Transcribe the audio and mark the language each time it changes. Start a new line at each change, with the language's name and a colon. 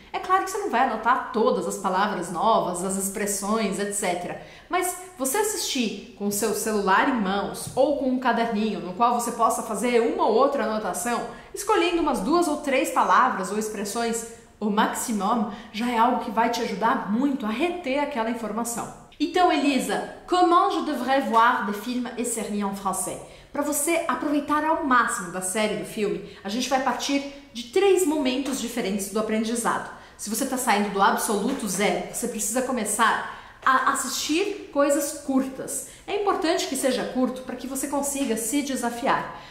Portuguese: É claro que você não vai anotar todas as palavras novas, as expressões, etc. Mas você assistir com seu celular em mãos ou com um caderninho no qual você possa fazer uma ou outra anotação, escolhendo umas duas ou três palavras ou expressões, o maximum já é algo que vai te ajudar muito a reter aquela informação.
French: Então, Elisa, comment je devrais voir des films et séries en français?
Portuguese: Para você aproveitar ao máximo da série, do filme, a gente vai partir de três momentos diferentes do aprendizado. Se você está saindo do absoluto zero, você precisa começar a assistir coisas curtas. É importante que seja curto para que você consiga se desafiar.